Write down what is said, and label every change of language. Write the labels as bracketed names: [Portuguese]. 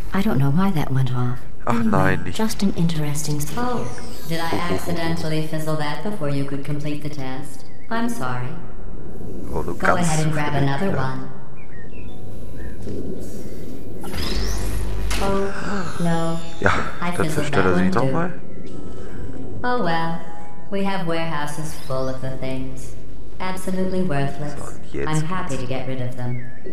[English] I don't know why that went off. [German] Ach nein, nicht. [English] Just an interesting spoke. Did I accidentally fizzle that before you could complete the test? I'm sorry. Go ahead and grab another one. [German] Ja. [English] Oh, no. [German] Ja, dann zerstört er sich nochmal. [English] Oh well, we have warehouses full of the things. Absolutely worthless. So, I'm happy to get rid of them.